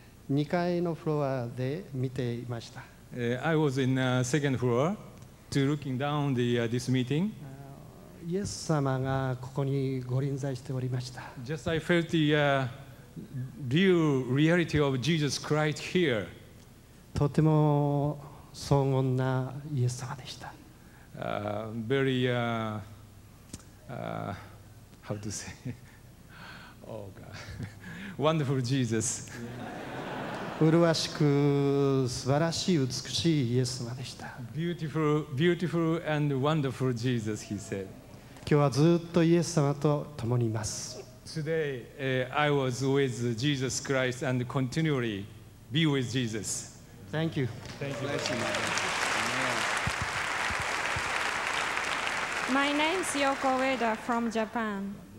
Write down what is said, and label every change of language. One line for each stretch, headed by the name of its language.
Japanese: 2階のフロアで見ていました。
English: I was in the second floor to looking down the this meeting.
Japanese: イエス様がここに御臨在しておりました。
English: Just I felt the real reality of Jesus Christ here.
Japanese: とても荘厳なイエス様でした。
English: Very how to say? Oh God. Wonderful Jesus.
Japanese: うるわしく素晴らしい美しいイエス様でした。
English: Beautiful, beautiful and wonderful Jesus, he said.
Japanese: 今日はずっとイエス様と共にいます。
English: Today, I was with Jesus Christ and continually be with Jesus. Thank you. Thank you. Bless you, Mother. My name is Yoko Ueda from Japan.